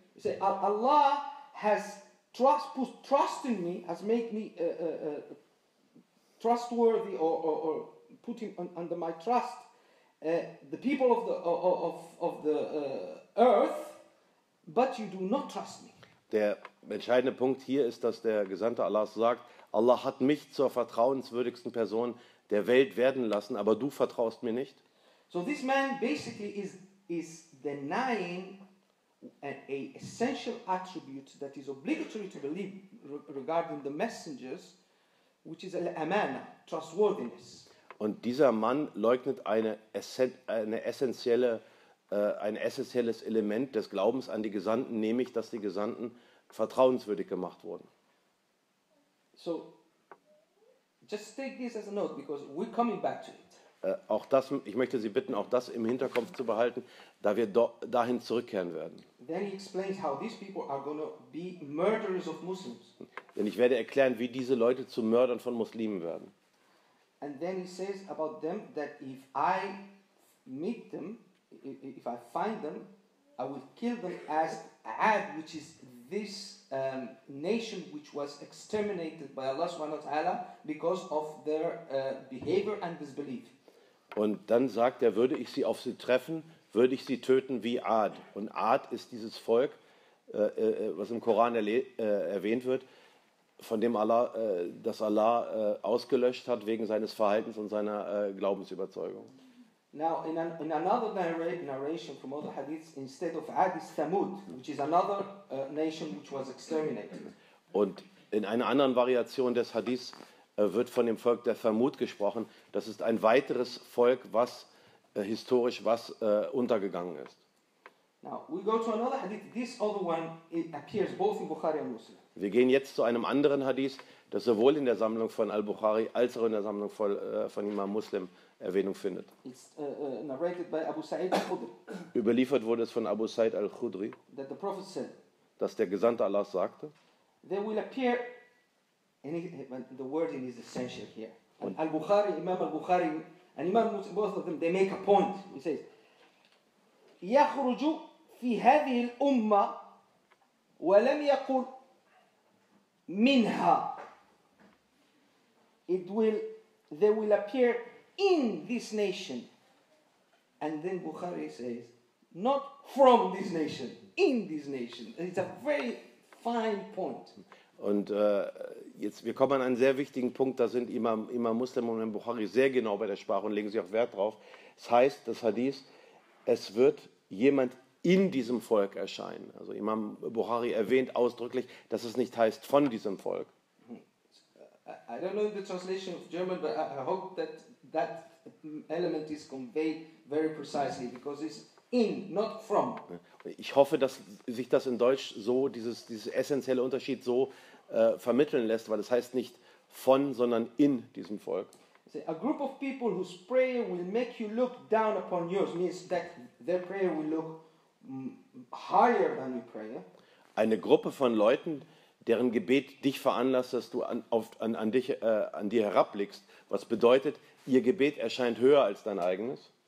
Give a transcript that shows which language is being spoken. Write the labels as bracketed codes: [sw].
[en] He says, Allah has put trust in me, has made me trustworthy or putting under my trust the people of the earth, but you do not trust me. [de] Der entscheidende Punkt hier ist, dass der Gesandte Allahs sagt, Allah hat mich zur vertrauenswürdigsten Person der Welt werden lassen, aber du vertraust mir nicht. [en] So this man basically is denying an essential attribute that is obligatory to believe regarding the messengers, which is al-amana, trustworthiness. [de] Und dieser Mann leugnet ein essentielles Element des Glaubens an die Gesandten, nämlich, dass die Gesandten vertrauenswürdig gemacht wurden. [en] So, just take this as a note, because we're coming back to it. [de] Auch das, ich möchte Sie bitten, auch das im Hinterkopf zu behalten, da wir dahin zurückkehren werden. [en] Then he explains how these people are going to be murderers of Muslims. [de] Denn ich werde erklären, wie diese Leute zu Mördern von Muslimen werden. [en] And then he says about them that if I meet them, if I find them, I will kill them as Ad, which is this nation which was exterminated by Allah subhanahu wa ta'ala because of their behavior and disbelief. [de] Und dann sagt er, würde ich sie auf sie treffen, würde ich sie töten wie Ad. Und Ad ist dieses Volk, was im Koran erwähnt wird, von dem Allah, das Allah ausgelöscht hat wegen seines Verhaltens und seiner Glaubensüberzeugung. [en] Now in another narration from other hadiths, instead of Ad is Thamud, which is another nation which was exterminated. [de] Und in einer anderen Variation des Hadiths wird von dem Volk der Thamud gesprochen. Das ist ein weiteres Volk, was historisch was untergegangen ist. [en] Now we go to another hadith. This other one it appears both in Bukhari and Muslim. [de] Wir gehen jetzt zu einem anderen Hadith, das sowohl in der Sammlung von Al-Bukhari als auch in der Sammlung von Imam Muslim Erwähnung findet. [en] It's narrated by Abu Sa'id al-Khudri. [de] Überliefert wurde es von Abu Sa'id al-Khudri, [en] that the Prophet said, [de] dass der Gesandte Allahs sagte, [en] there will appear the wording is essential here. And Al-Bukhari, Imam Al-Bukhari, and Imam Muslim, both of them, they make a point. He says, [ar] يَخْرُجُ فِي هَذِهِ الْأُمَّةِ وَلَمْ يَقُلْ مِنْهَا. [en] They will appear in this nation. And then Bukhari says, not from this nation, in this nation. And it's a very fine point. [de] Und jetzt, wir kommen an einen sehr wichtigen Punkt, da sind Imam Muslim und Imam Bukhari sehr genau bei der Sprache und legen sich auch Wert drauf. Es heißt, das Hadith, es wird jemand in diesem Volk erscheinen. Also Imam Bukhari erwähnt ausdrücklich, dass es nicht heißt von diesem Volk. [en] I don't know the translation of German, but I hope that that element is conveyed very precisely, because it's in, not from. [de] Ich hoffe, dass sich das in Deutsch so, dieses essentielle Unterschied so vermitteln lässt, weil es heißt nicht von, sondern in diesem Volk. [en] A group of people whose prayer will make you look down upon yours means that their prayer will look higher than your prayer. [de] Eine Gruppe von Leuten, deren Gebet dich veranlasst, dass du an dir herabblickst, was bedeutet, ihr Gebet erscheint höher als dein eigenes.